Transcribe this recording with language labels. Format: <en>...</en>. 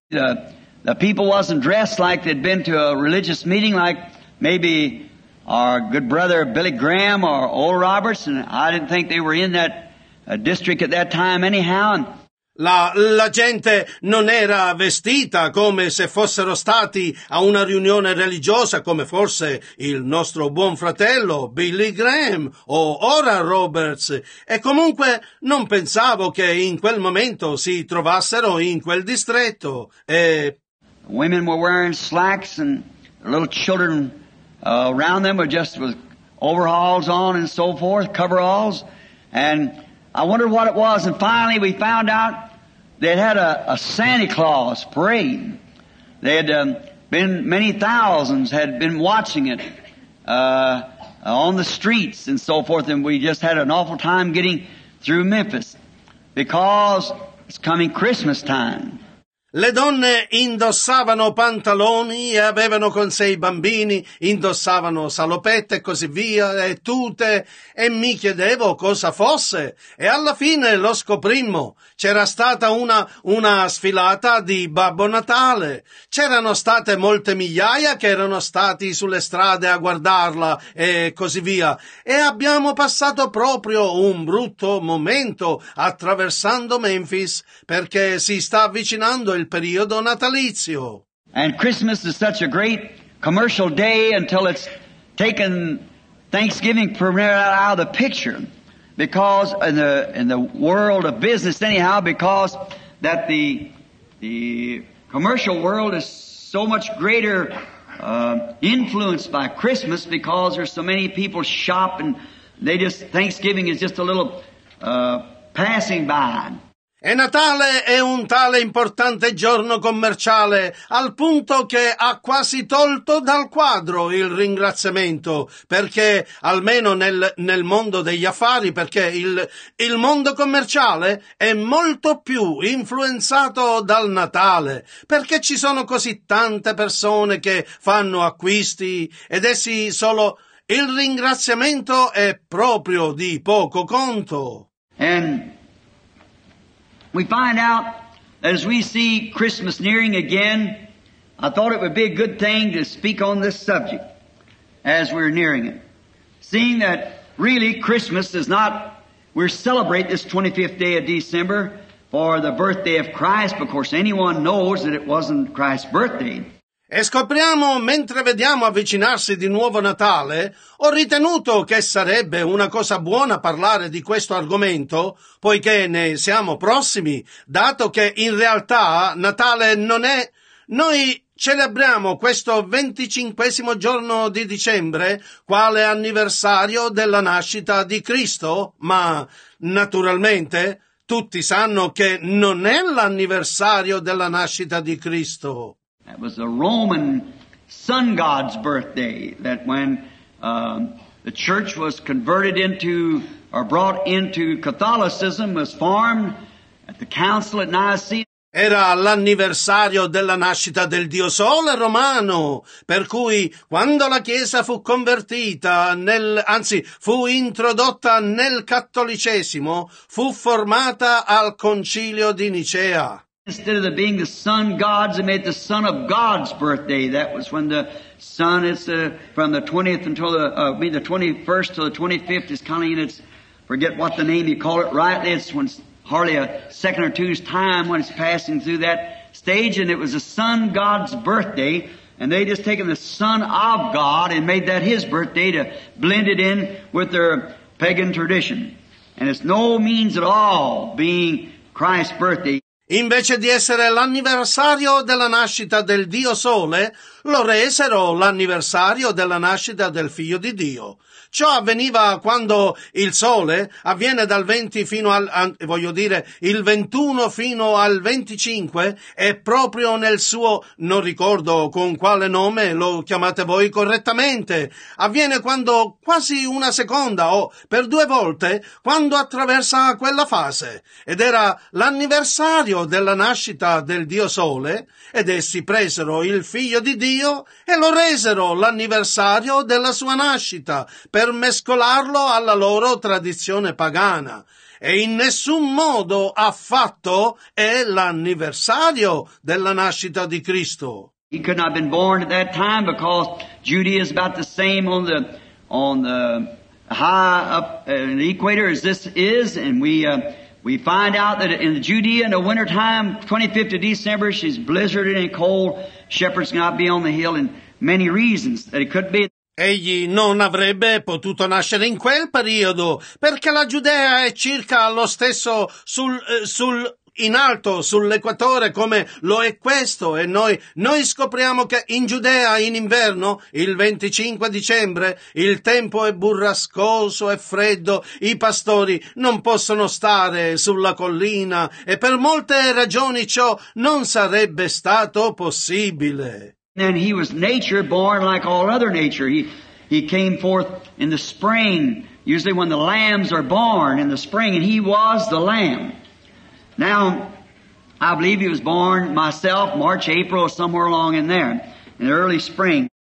<en>The people wasn't dressed like they'd been to a religious meeting, like maybe our good brother Billy Graham or Old Roberts, and I didn't think they were in that district at that time anyhow.</en> <it>La gente non era vestita come se fossero stati a una riunione religiosa, come forse il nostro buon fratello Billy Graham o Oral Roberts, e comunque non pensavo che in quel momento si trovassero in quel distretto. E</it> <en>women were wearing slacks and little children around them were just with overalls on and so forth, coveralls, and I wondered what it was, and finally we found out they'd had a Santa Claus parade. They had been, many thousands had been watching it on the streets and so forth, and we just had an awful time getting through Memphis because it's coming Christmas time.</en> <it>Le donne indossavano pantaloni e avevano con sé i bambini, indossavano salopette e così via, e tute, e mi chiedevo cosa fosse. E alla fine lo scoprimmo. C'era stata una sfilata di Babbo Natale. C'erano state molte migliaia che erano stati sulle strade a guardarla e così via. E abbiamo passato proprio un brutto momento attraversando Memphis perché si sta avvicinando il periodo natalizio.</it> <en>And Christmas is such a great commercial day until it's taken Thanksgiving primarily out of the picture, because in the world of business anyhow, because that the commercial world is so much greater influenced by Christmas, because there's so many people shop and they just Thanksgiving is just a little passing by.</en> <it>E Natale è un tale importante giorno commerciale, al punto che ha quasi tolto dal quadro il ringraziamento, perché almeno nel mondo degli affari, perché il mondo commerciale è molto più influenzato dal Natale, perché ci sono così tante persone che fanno acquisti ed essi solo il ringraziamento è proprio di poco conto.</it> <en>We find out that as we see Christmas nearing again, I thought it would be a good thing to speak on this subject as we're nearing it, seeing that really Christmas is not, we celebrate this 25th day of December for the birthday of Christ, but of course anyone knows that it wasn't Christ's birthday.</en> <it>E scopriamo, mentre vediamo avvicinarsi di nuovo Natale, ho ritenuto che sarebbe una cosa buona parlare di questo argomento, poiché ne siamo prossimi, dato che in realtà Natale non è... Noi celebriamo questo 25esimo giorno di dicembre, quale anniversario della nascita di Cristo, ma naturalmente tutti sanno che non è l'anniversario della nascita di Cristo.</it> <en>That was the Roman sun god's birthday, that when the church was converted into or brought into Catholicism was formed at the council at Nicaea.</en> <it>Era l'anniversario della nascita del Dio Sole romano, per cui quando la Chiesa fu convertita, fu introdotta nel cattolicesimo, fu formata al Concilio di Nicea.</it> <en>Instead of it being the sun god's, it made the son of God's birthday. That was when the sun is from the 20th until the 21st to the 25th is kind of in its, forget what the name you call it rightly, it's when it's hardly a second or two's time when it's passing through that stage, and it was the sun god's birthday, and they just taken the son of God and made that his birthday to blend it in with their pagan tradition. And it's no means at all being Christ's birthday.</en> <it>Invece di essere l'anniversario della nascita del Dio Sole, lo resero l'anniversario della nascita del Figlio di Dio. Ciò avveniva quando il Sole avviene dal 20 fino al, voglio dire, il 21 fino al 25, e proprio nel suo, non ricordo con quale nome lo chiamate voi correttamente, avviene quando quasi una seconda o per due volte, quando attraversa quella fase. Ed era l'anniversario della nascita del Dio Sole, ed essi presero il Figlio di Dio e lo resero l'anniversario della sua nascita, per mescolarlo alla loro tradizione pagana. E in nessun modo affatto è l'anniversario della nascita di Cristo.</it> <en>He could not have been born at that time because Judea is about the same on the high up in the equator as this is, and we We find out that in Judea in the wintertime, 25th of December, she's blizzarding and cold. Shepherds cannot be on the hill in many reasons that it could be.</en> <it>Egli non avrebbe potuto nascere in quel periodo, perché la Giudea è circa lo stesso sul in alto, sull'equatore, come lo è questo, e noi scopriamo che in Giudea, in inverno, il 25 dicembre, il tempo è burrascoso e freddo, i pastori non possono stare sulla collina, e per molte ragioni ciò non sarebbe stato possibile.</it> <en>And he was nature born like all other nature. He came forth in the spring, usually when the lambs are born in the spring, and he was the lamb. Now, I believe he was born myself, March, April, somewhere along in there, in the early spring.</en>